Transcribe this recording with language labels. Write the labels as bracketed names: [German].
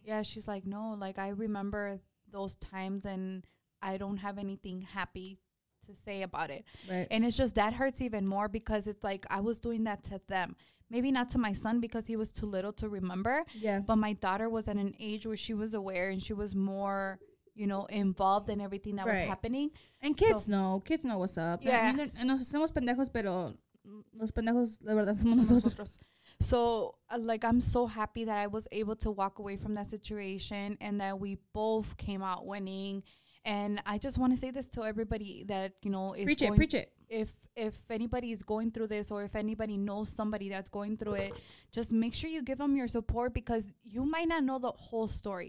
[English] Yeah, she's like, no, like, I remember those times, and I don't have anything happy to to say about it. Right. And it's just that hurts even more because it's like I was doing that to them. Maybe not to my son because he was too little to remember. Yeah. But my daughter was at an age where she was aware and she was more, you know, involved in everything that was happening. And kids know. Kids know what's up. Yeah. [Spanish] I mean, nos hacemos pendejos, pero los pendejos, la verdad, somos nosotros. [English] So, like, I'm so happy that I was able to walk away from that situation and that we both came out winning. And I just want to say this to everybody that, you know, is preach it, preach it. If anybody is going through this or if anybody knows somebody that's going through it, just make sure you give them your support because you might not know the whole story.